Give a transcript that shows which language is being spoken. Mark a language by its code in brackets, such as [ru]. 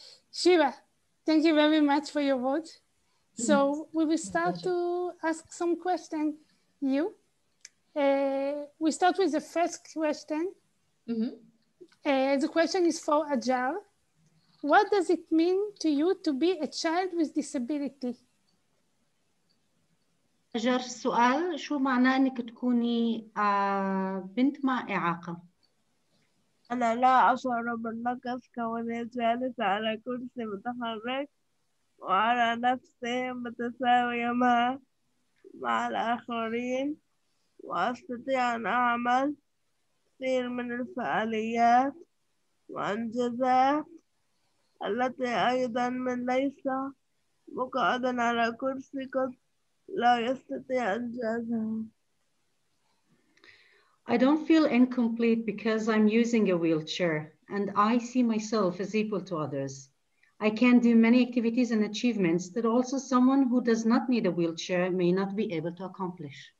[en] Shira, thank you very much for your vote. So we will start to ask some questions to you. We start with the first question. Mm-hmm. The question is for Ajal. What does it mean to you to be a child with disability? [ar] Ajal, سؤال شو معنى انك تكوني بنت مع اعاقه؟ انا لا اشعر بالنقص كوني جالسه على كرسي متحرك وعلى نفسي متساويه مع الاخرين واستطيع ان اعمل كثير من الفعاليات وانجازات التي ايضا من ليس مقعدا على كرسي قد لا يستطيع انجازها. [en] I don't feel incomplete because I'm using a wheelchair and I see myself as equal to others. I can do many activities and achievements that also someone who does not need a wheelchair may not be able to accomplish.